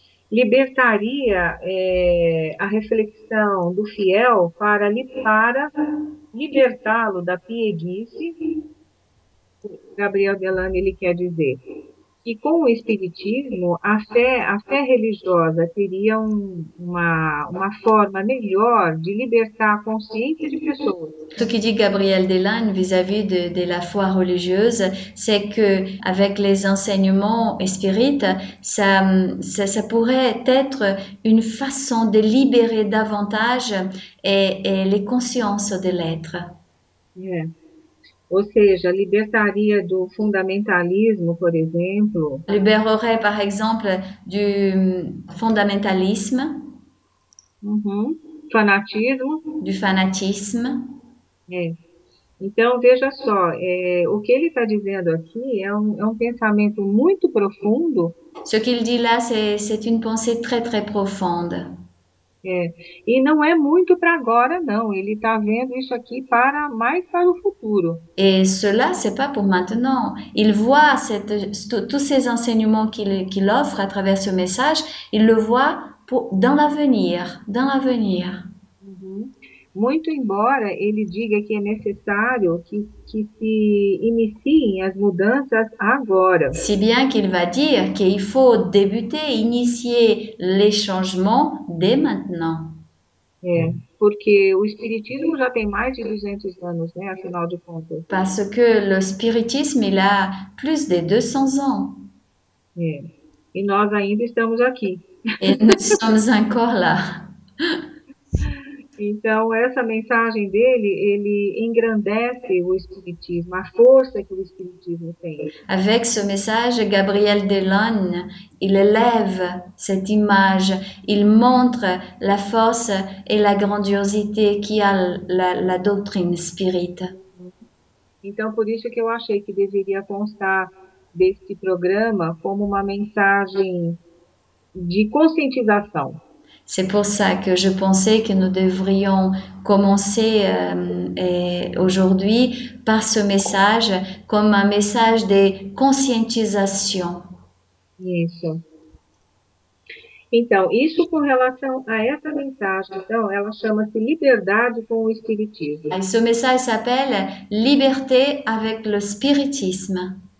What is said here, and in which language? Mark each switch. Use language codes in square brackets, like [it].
[pt] Libertaria, a reflexão do fiel para libertá-lo da pieguice. Gabriel Delanne, ele quer dizer que com o espiritismo, a fé religiosa teria uma forma melhor de libertar a consciência de pessoas. [fr] Ce que dit Gabriel Delanne vis-à-vis de la foi religieuse, c'est que avec les enseignements spirites, ça pourrait être une façon de libérer davantage et les consciences de l'être. [pt] Ou seja, libertaria do fundamentalismo, por exemplo. [fr] Libérerait par exemple du fondamentalisme. [pt] Fanatismo. Do fanatismo. É. Então, veja só, o que ele está dizendo aqui é um pensamento muito profundo. [fr] Ce qu'il dit là, c'est une pensée très très profonde. [pt] E não é muito para agora, não. Ele está vendo isso aqui mais para o futuro. [fr] Et cela, ce n'est pas pour maintenant. Il voit tous ces enseignements qu'il offre à travers ce message, il le voit dans l'avenir, dans l'avenir. [pt] Muito embora ele diga que é necessário que se iniciem as mudanças agora. [fr] Si bien qu'il va dire qu'il faut débuter, initier les changements dès maintenant. [pt] Porque o espiritismo já tem mais de 200 anos, né, afinal de contas. [fr] Parce que le spiritisme, il a plus de 200 ans. [pt] E nós ainda estamos aqui. [fr] Et nous sommes encore là. [pt] Então, essa mensagem dele, ele engrandece o espiritismo, a força que o espiritismo tem. [fr] Avec ce message, Gabriel Delanne, il élève cette image, il montre la force et la grandiosité qu'y a la doctrine spirite. [pt] Então, por isso que eu achei que deveria constar deste programa como uma mensagem de conscientização. [fr] C'est pour ça que je pensais que nous devrions commencer aujourd'hui par ce message comme un message de conscientisation. [pt] Isso com relação a essa mensagem. Então, ela chama-se Liberdade com o Espiritismo. [fr] Et ce message s'appelle Liberté avec le spiritisme.